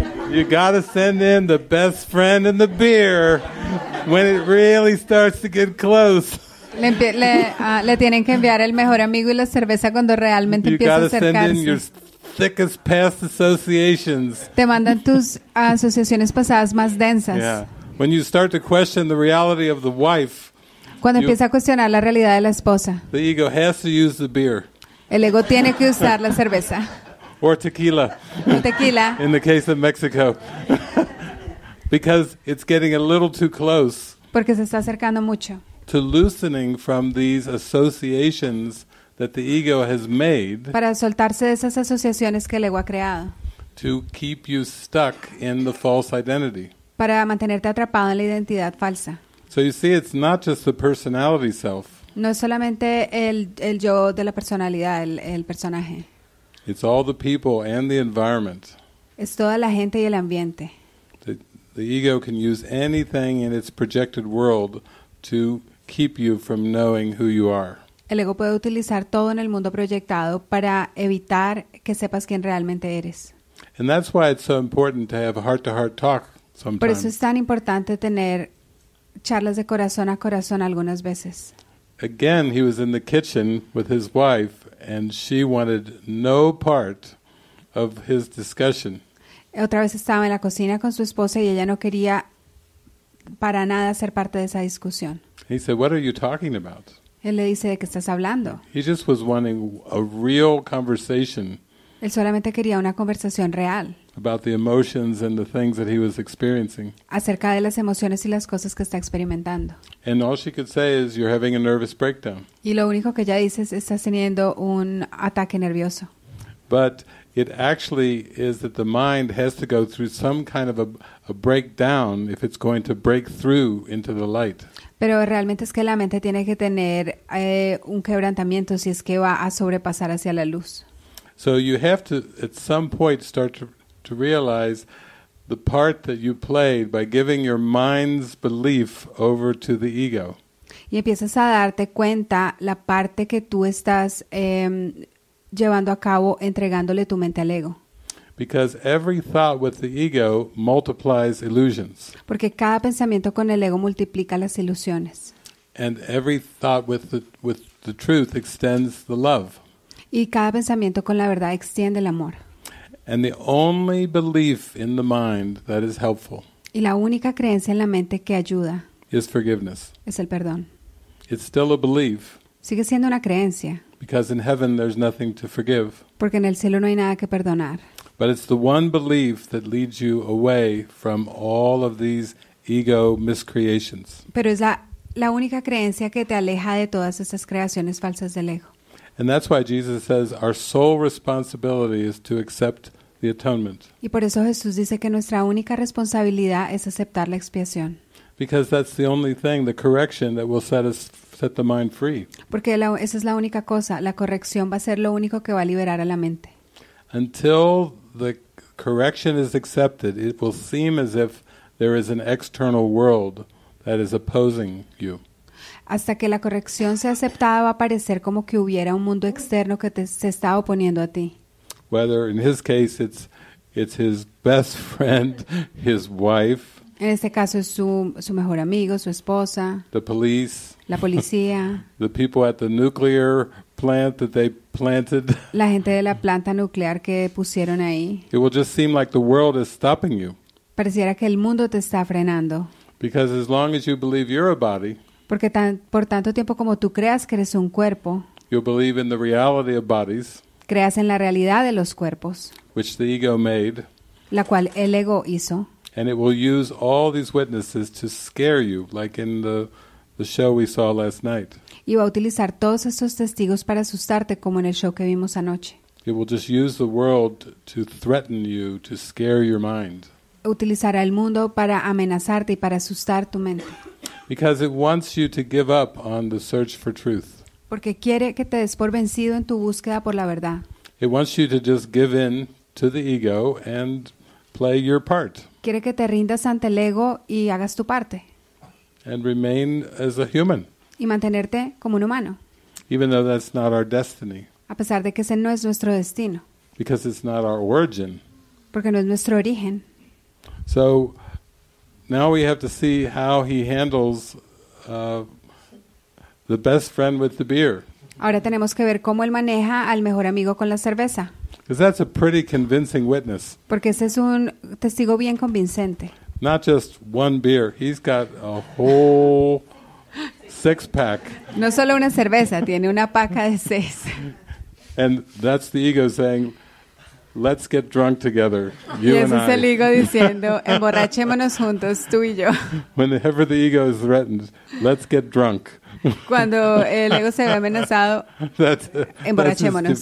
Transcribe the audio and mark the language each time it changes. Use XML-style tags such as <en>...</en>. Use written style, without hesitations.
<en>You gotta send in the best friend and the beer when it really starts to get close.</en> <es>Le tienen que enviar el mejor amigo y la cerveza cuando realmente empieza a acercarse.</es> <en>You gotta send in your thickest past associations.</en> <es>Te mandan tus asociaciones pasadas más densas.</es> <en>Yeah. When you start to question the reality of the wife.</en> <es>Cuando empieza a cuestionar la realidad de la esposa.</es> <en>The ego has to use the beer.</en> <es>El ego tiene que usar la cerveza.</es> <en>Or tequila.</en> <es>Tequila.</es> <en>In the case of Mexico. Because it's getting a little too close.</en> <es>Porque se está acercando mucho.</es> <en>To loosening from these associations that the ego has made.</en> <es>Para soltarse de esas asociaciones que el ego ha creado.</es> <en>To keep you stuck in the false identity.</en> <es>Para mantenerte atrapado en la identidad falsa.</es> <en>So you see, it's not just the personality self.</en> <es>No es solamente el yo de la personalidad, el personaje.</es> <en>It's all the people and the environment.</en> <es>Es toda la gente y el ambiente.</es> <en>The ego can use anything in its projected world to keep you from knowing who you are.</en> <es>El ego puede utilizar todo en el mundo proyectado para evitar que sepas quién realmente eres.</es> <en>And that's why it's so important to have a heart-to-heart talk sometimes.</en> <es>Por eso es tan importante tener charlas de corazón a corazón algunas veces.</es> <en>Again, he was in the kitchen with his wife, and she wanted no part of his discussion.</en> <es>Otra vez estaba en la cocina con su esposa y ella no quería para nada ser parte de esa discusión.</es> <en>He said, "What are you talking about?"</en> <es>Él le dice, ¿de qué estás hablando?</es> <en>He just was wanting a real conversation.</en> <es>Él solamente quería una conversación real.</es> <en>About the emotions and the things that he was experiencing.</en> <es>Acerca de las emociones y las cosas que está experimentando.</es> <en>And all she could say is, "You're having a nervous breakdown."</en> <es>Y lo único que ella dice es, estás teniendo un ataque nervioso.</es> <en>But it actually is that the mind has to go through some kind of a breakdown if it's going to break through into the light.</en> <es>Pero realmente es que la mente tiene que tener un quebrantamiento si es que va a sobrepasar hacia la luz.</es> <en>So you have to, at some point, start to realize the part that you played by giving your mind's belief over to the ego.</en> <es>Y empiezas a darte cuenta la parte que tú estás llevando a cabo, entregándole tu mente al ego.</es> <en>Because every thought with the ego multiplies illusions.</en> <es>Porque cada pensamiento con el ego multiplica las ilusiones.</es> <en>And every thought with the truth extends the love.</en> <es>Y cada pensamiento con la verdad extiende el amor.</es> <en>And the only belief in the mind that is helpful.</en> <es>Y la única creencia en la mente que ayuda.</es> <en>Is forgiveness.</en> <es>Es el perdón.</es> <en>It's still a belief.</en> <es>Sigue siendo una creencia.</es> <en>Because in heaven there's nothing to forgive.</en> <es>Porque en el cielo no hay nada que perdonar.</es> <en>But it's the one belief that leads you away from all of these ego miscreations.</en> <es>Pero es la única creencia que te aleja de todas estas creaciones falsas del ego.</es> <en>And that's why Jesus says our sole responsibility is to accept the atonement.</en> <es>Y por eso Jesús dice que nuestra única responsabilidad es aceptar la expiación.</es> <en>Because that's the only thing, the correction that will set the mind free.</en> <es>Porque esa es la única cosa, la corrección va a ser lo único que va a liberar a la mente.</es> <en>Until the correction is accepted, it will seem as if there is an external world that is opposing you.</en> <es>Hasta que la corrección sea aceptada va a parecer como que hubiera un mundo externo que se está oponiendo a ti.</es> <en>Whether in his case it's his best friend, his wife.</en> <es>En este caso es su mejor amigo, su esposa.</es> <en>The police.</en> <es>La policía.</es> <en>The people at the nuclear plant that they planted.</en> <es>La gente de la planta nuclear que pusieron ahí.</es> <en>It will just seem like the world is stopping you.</en> <es>Pareciera que el mundo te está frenando.</es> <en>Because as long as you believe you're a body,</en> <es>porque tan, por tanto tiempo como tú creas que eres un cuerpo,</es> <en>you'll believe in the reality of bodies,</en> <es>creas en la realidad de los cuerpos,</es> <en>which the ego made,</en> <es>la cual el ego hizo,</es> <en>and it will use all these witnesses to scare you, like in the show we saw last night.</en> <es>Y va a utilizar todos estos testigos para asustarte, como en el show que vimos anoche.</es> <en>It will just use the world to threaten you, to scare your mind.</en> <es>Utilizará el mundo para amenazarte y para asustar tu mente.</es> <en>Because it wants you to give up on the search for truth.</en> <es>Porque quiere que te des por vencido en tu búsqueda por la verdad.</es> <en>It wants you to just give in to the ego and play your part.</en> <es>Quiere que te rindas ante el ego y hagas tu parte.</es> <en>And remain as a human.</en> <es>Y mantenerte como un humano.</es> <en>Even though that's not our destiny.</en> <es>A pesar de que ese no es nuestro destino.</es> <en>Because it's not our origin.</en> <es>Porque no es nuestro origen.</es> <en>So now we have to see how he handles the best friend with the beer.</en> <es>Ahora tenemos que ver cómo él maneja al mejor amigo con la cerveza.</es> <en>Because that's a pretty convincing witness.</en> <es>Porque ese es un testigo bien convincente.</es> <en>Not just one beer. He's got a whole six pack.</en> <es>No solo una cerveza, tiene una paca de seis.</es> <en>And that's the ego saying, let's get drunk together, you and I.</en> <es>Y ese es el ego diciendo, emborrachémonos juntos, tú y yo.</es> <en>Whenever the ego is threatened, let's get drunk.</en> <es>Cuando el ego se ve amenazado, emborrachémonos.</es>